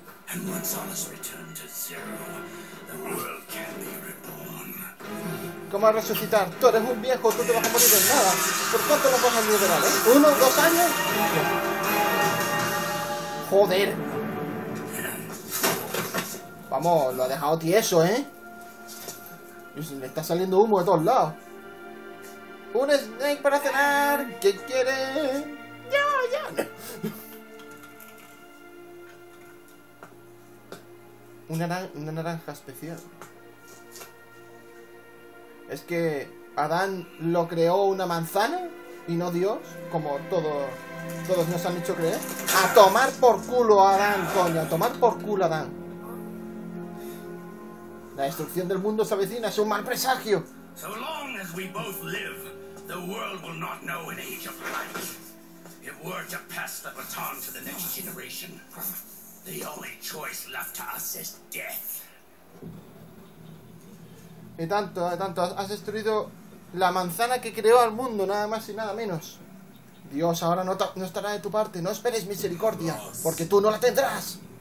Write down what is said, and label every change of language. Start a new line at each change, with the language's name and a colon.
English: And once all is returned to zero, the world can be reborn.
Spanish: ¿Cómo vas a resucitar? Tú eres un viejo, tú te vas a morir en nada. ¿Por cuánto lo vas a liberar, eh? ¿Uno, dos años? ¡Joder! Vamos, lo ha dejado tieso, ¿eh? Le está saliendo humo de todos lados. ¡Un snake para cenar! ¿Qué quieres? ¡Ya, ya! Una naranja especial. Es que Adán lo creó una manzana y no Dios, como todos nos han hecho creer. A tomar por culo Adán, coño, a tomar por culo Adán. La destrucción del mundo se avecina, es un mal presagio.
English: So long as we both live, the world will not know an age of light. If we're to pass the baton to the next generation. The only choice left to us is death.
Spanish: Y tanto, has destruido la manzana que creó al mundo, nada más y nada menos. Dios, ahora no estará de tu parte, no esperes misericordia, porque tú no la tendrás.